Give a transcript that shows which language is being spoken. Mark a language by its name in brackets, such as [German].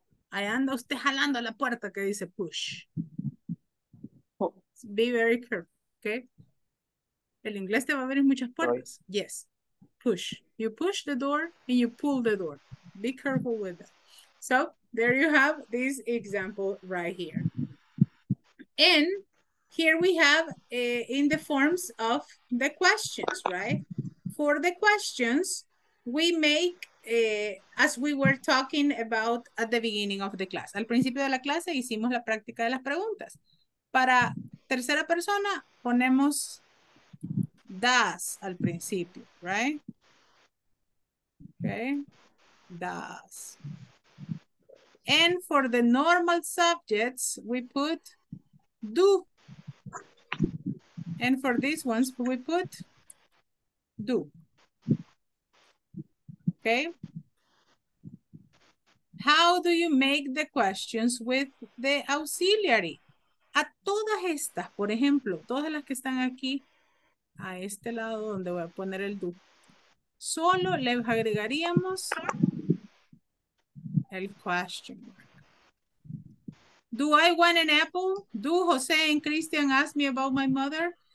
[Spanish] Ahí anda usted jalando la puerta que dice push. [English] Be very careful. [Spanish] Okay. El inglés te va a abrir muchas puertas. [English] Yes. Push. You push the door and you pull the door. Be careful with that. So, there you have this example right here. And here we have in the forms of the questions, right? For the questions, we make, as we were talking about at the beginning of the class. [Spanish] Al principio de la clase hicimos la práctica de las preguntas. Para tercera persona ponemos das al principio, right? [English] Okay, das. And for the normal subjects, we put do. And for these ones, we put do. Okay? How do you make the questions with the auxiliary? [Spanish] A todas estas, por ejemplo, todas las que están aquí, a este lado donde voy a poner el do, solo les agregaríamos el question. [English] Do I want an apple? Do Jose and Christian ask me about my mother?